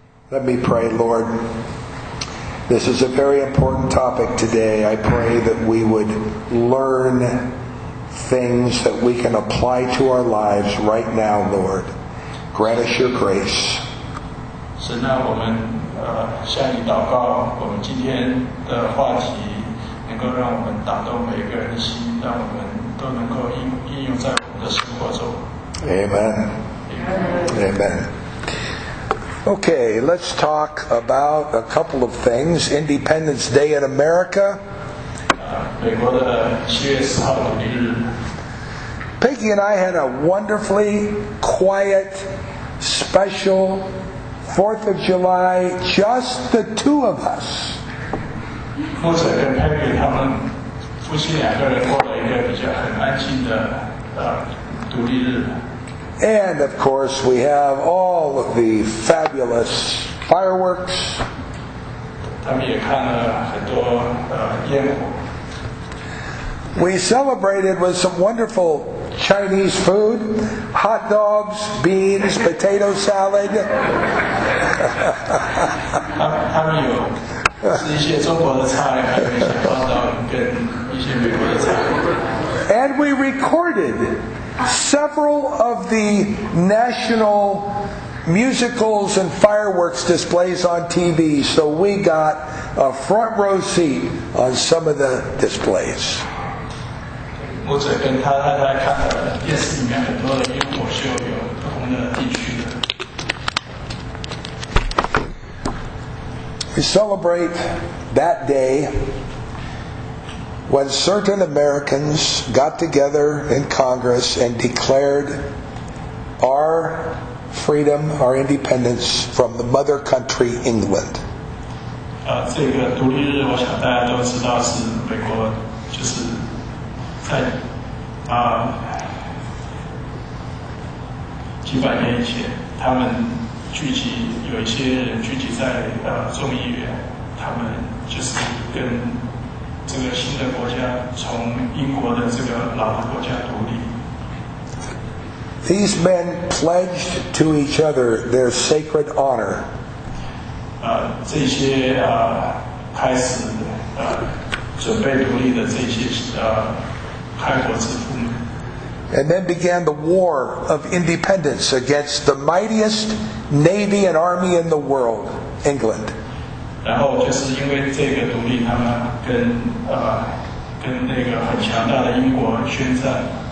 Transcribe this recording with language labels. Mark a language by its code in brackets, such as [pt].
[en] Let me pray, Lord. This is a very important topic today. I pray that we would learn things that we can apply to our lives right now, Lord. Grant us your grace. [zh] 神啊，我们向你祷告，我们今天的话题能够让我们打动每个人的心，让我们都能够应用在我们的生活中。 [en] Amen. Amen. Amen. Okay, let's talk about a couple of things. Independence Day in America. [zh] 美国的七月四号独立日。 [en] Peggy and I had a wonderfully quiet, special 4th of July, just the two of us. [zh] 或者跟 Peggy 他们夫妻两个人过了一个比较很安静的独立日。 [en] And of course, we have all of the fabulous fireworks. [zh] 他们也看了很多烟火。 [en] We celebrated with some wonderful Chinese food, hot dogs, beans, potato salad. [zh] 他们有吃一些中国的菜，还有一些hot dog跟一些美国的菜。 [en] And we recorded several of the national musicals and fireworks displays on TV, so we got a front row seat on some of the displays. [zh] 牧者跟他太太看了电视里面很多的烟火秀，有不同的地区的。 [en] We celebrate that day when certain Americans got together in Congress and declared our freedom, our independence from the mother country, England. [zh] 这个独立日，我想大家都知道是美国，就是在几百年以前，他们聚集，有一些人聚集在众议院，他们就是跟这个新的国家从英国的这个老的国家独立。 [en] These men pledged to each other their sacred honor. [zh] 这些开始准备独立的这些开国之父们。 [en] And then began the war of independence against the mightiest navy and army in the world, England. [zh] 然后就是因为这个独立，他们跟那个很强大的英国宣战。